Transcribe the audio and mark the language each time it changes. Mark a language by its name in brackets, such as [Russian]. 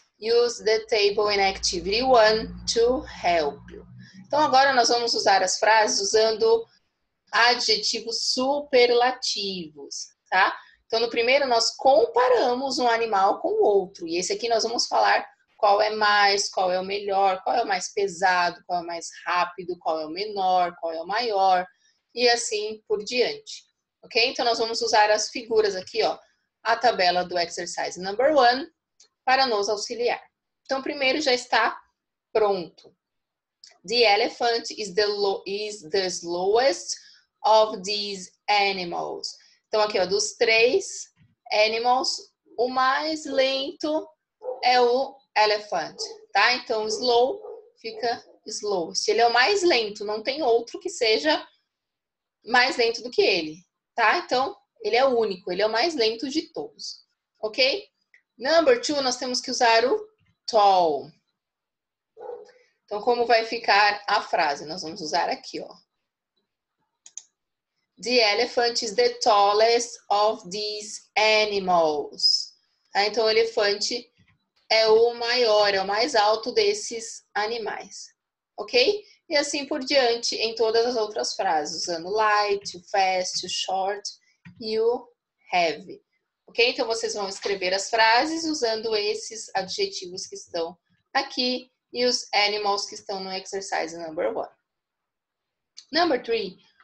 [English] Use the table in activity 1 to help you. [Portuguese] Então, agora nós vamos usar as frases usando adjetivos superlativos, tá? Então, no primeiro, nós comparamos um animal com o outro. E esse aqui nós vamos falar qual é mais, qual é o melhor, qual é o mais pesado, qual é o mais rápido, qual é o menor, qual é o maior, e assim por diante, ok? Então, nós vamos usar as figuras aqui, ó, a tabela do exercise number 1, para nos auxiliar. Então, primeiro já está pronto. [English] The elephant is the slowest of these animals. [Portuguese] Então, aqui, ó, dos três animals, o mais lento é o elephant, tá? Então, slow fica slow. Se ele é o mais lento, não tem outro que seja mais lento do que ele, tá? Então, ele é o único, ele é o mais lento de todos, ok? Number 2, nós temos que usar o tall. Então, como vai ficar a frase? Nós vamos usar aqui, ó. [English] The elephant is the tallest of these animals. [Portuguese] Tá? Então, o elefante é o maior, é o mais alto desses animais. Ok? E assim por diante em todas as outras frases. Usando o light, o fast, o short e o heavy. Ok? Então, vocês vão escrever as frases usando esses adjetivos que estão aqui e os animals que estão no exercise number 1. Number 3.